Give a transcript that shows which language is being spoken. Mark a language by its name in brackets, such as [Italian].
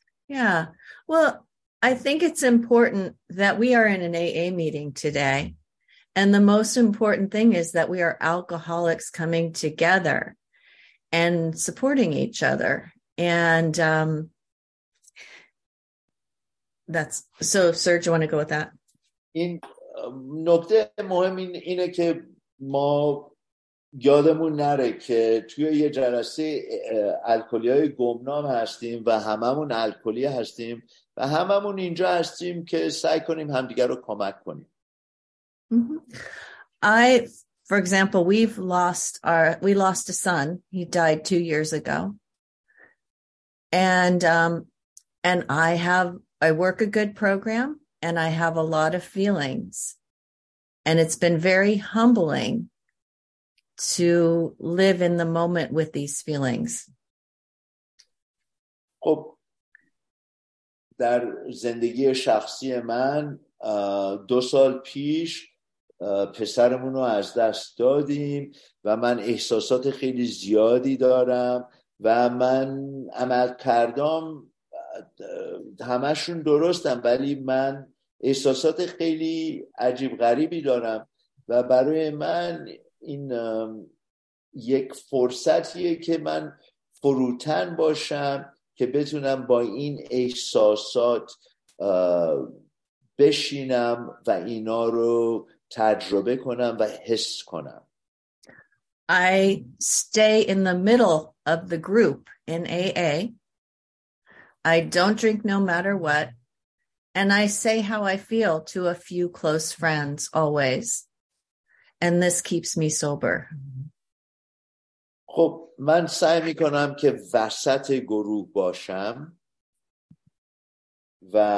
[English] Yeah, well, I think it's important that we are in an AA meeting today, and the most important thing is that we are alcoholics coming together and supporting each other, and that's so. Serge, you want to go with that? [Persian] In نکته مهم اینه که ما یادمون نره که توی یه جلسه الکلی‌های گمنام هستیم و هممون الکلی هستیم و هممون اینجا هستیم که سعی کنیم همدیگر رو کمک کنیم. [English] For example, we lost a son. He died 2 years ago. And I work a good program and I have a lot of feelings. And it's been very humbling to live in the moment with these feelings. [Persian] خب در زندگی شخصی من دو سال پیش پسرمون رو از دست دادیم و من احساسات خیلی زیادی دارم و من عمل کردم همشون درستم ولی من احساسات خیلی عجیب غریبی دارم و برای من این یک فرصتیه که من فروتن باشم که بتونم با این احساسات بشینم و اینا رو تجربه کنم و حس کنم. [English] I stay in the middle of the group in AA. I don't drink no matter what, and I say how I feel to a few close friends always, and this keeps me sober. [Persian] خب من سعی می کنم که وسط گروه باشم و